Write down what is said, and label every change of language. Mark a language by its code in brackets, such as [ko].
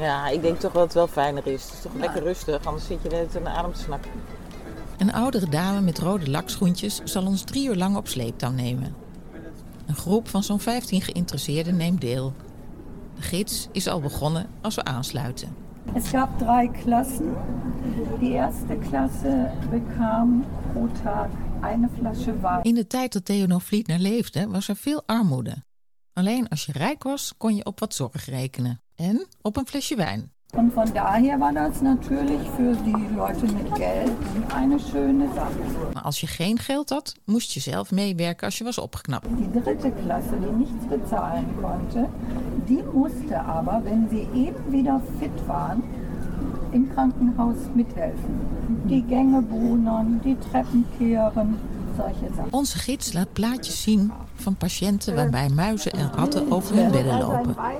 [nl] Ja, ik denk toch dat het wel fijner is. Het is toch lekker rustig, anders zit je net aan de adem te snakken. Een oudere dame met rode lakschoentjes zal ons 3 uur lang op sleeptouw nemen. Een groep van zo'n 15 geïnteresseerden neemt deel. De gids is al begonnen als we aansluiten. [de] Es gab 3 klassen. Die erste klasse bekam pro Tag eine Flasche Wein. [nl] In de tijd dat Theodor Vlietner leefde, was er veel armoede. Alleen als je rijk was, kon je op wat zorg rekenen. En op een flesje wijn. [de] Und von daher war das natürlich für die Leute mit Geld eine schöne Sache. [nl] Maar als je geen geld had, moest je zelf meewerken als je was opgeknapt. [de] Die dritte Klasse, die nichts bezahlen konnte, die musste aber, wenn sie eben wieder fit waren, im Krankenhaus mithelfen. Die Gänge bohnen, die Treppen kehren. [nl] Onze gids laat plaatjes zien van patiënten waarbij muizen en ratten over hun bedden lopen.